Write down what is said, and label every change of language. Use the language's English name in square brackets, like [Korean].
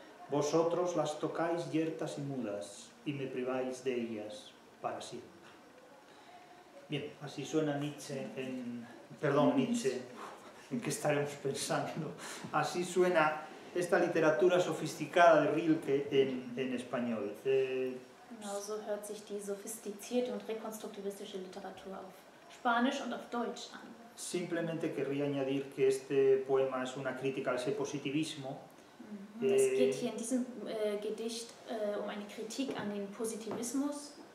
[Spanish] Vosotros las tocáis yertas y mudas y me priváis de ellas para siempre. Bien, así suena Nietzsche en... Perdón, Nietzsche, ¿en qué estaremos pensando? Así suena esta literatura sofisticada de Rilke en español. [German] Genauso hört sich die sophistizierte und rekonstruktivistische Literatur auf Spanisch und auf Deutsch an. [Spanish] Simplemente querría añadir que este poema es una crítica al ese positivismo. [German] Es geht hier in diesem Gedicht um eine Kritik an den Positivismus.